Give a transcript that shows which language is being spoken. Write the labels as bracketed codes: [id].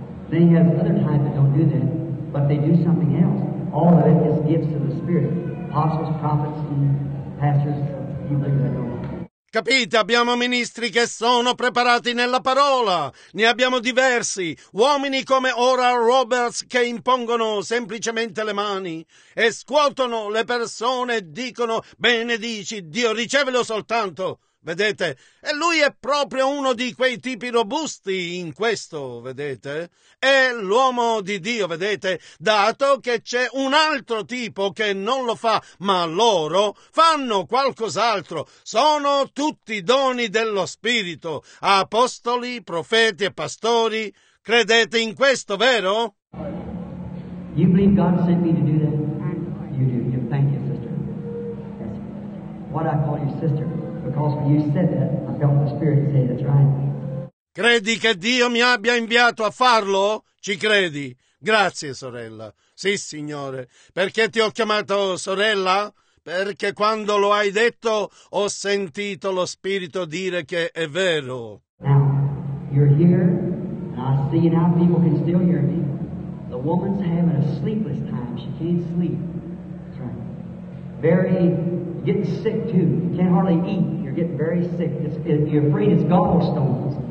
[en] Then he has other types that don't do that, but they do something else. All of it is gifts of the Spirit. Apostles, prophets, and pastors, people that don't know. [it] Capite, abbiamo ministri che sono preparati nella parola, ne abbiamo diversi, uomini come Oral Roberts che impongono semplicemente le mani e scuotono le persone e dicono benedici, Dio ricevelo soltanto, vedete? E lui è proprio uno di quei tipi robusti in questo, vedete? È l'uomo di Dio, vedete? Dato che c'è un altro tipo che non lo fa, ma loro fanno qualcos'altro. Sono tutti doni dello Spirito, apostoli, profeti e pastori. Credete in questo, vero? [en] You believe God sent me to do that? You do. You thank you, sister. Yes. What I call your sister, because when you said that, I felt the Spirit say that's right. [it] Credi che Dio mi abbia inviato a farlo? Ci credi? Grazie, sorella. Sì, Signore. Perché ti ho chiamato sorella? Perché quando lo hai detto, ho sentito lo Spirito dire che è vero. [en] Now, you're here, and I see now people can still hear me. The woman's having a sleepless time. She can't sleep. That's right. Very, getting sick too. Can't hardly eat. You're getting very sick. You're afraid it's gallstones.